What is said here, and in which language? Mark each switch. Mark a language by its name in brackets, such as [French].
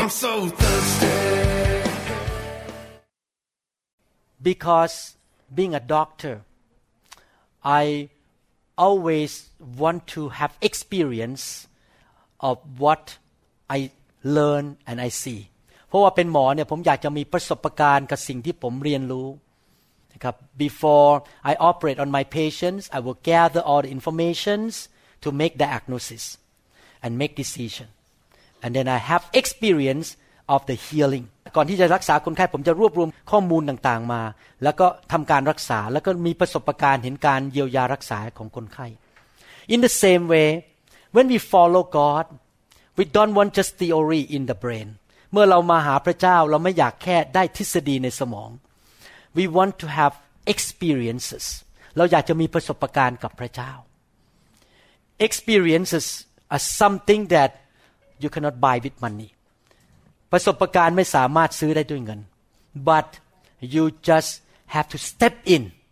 [English] I'm so thirsty. Because being a doctor, I always want to have experience of what I learn and I see. [Thai] เพราะว่าเป็นหมอเนี่ยผมอยากจะมีประสบการณ์กับสิ่งที่ผมเรียนรู้นะครับ [English] Before I operate on my patients, I will gather all the informations to make diagnosis and make decision. And then I have experience of the healing. [Thai] ก่อนที่จะรักษาคนไข้ผมจะรวบรวมข้อมูลต่างๆมาแล้วก็ทำการรักษาแล้วก็มีประสบการณ์เห็นการเยียวยารักษาของคนไข้ [English] In the same way when we follow God we don't want just theory in the brain [Thai] เมื่อเรามาหาพระเจ้าเราไม่อยากแค่ได้ทฤษฎีในสมอง [English] We want to have experiences [Thai] เราอยากจะมีประสบการณ์กับพระเจ้า [English] Experiences are something that you cannot buy with money [Thai] ประสบการณ์ไม่สามารถซื้อได้ด้วยเงิน [English] but you just have to step in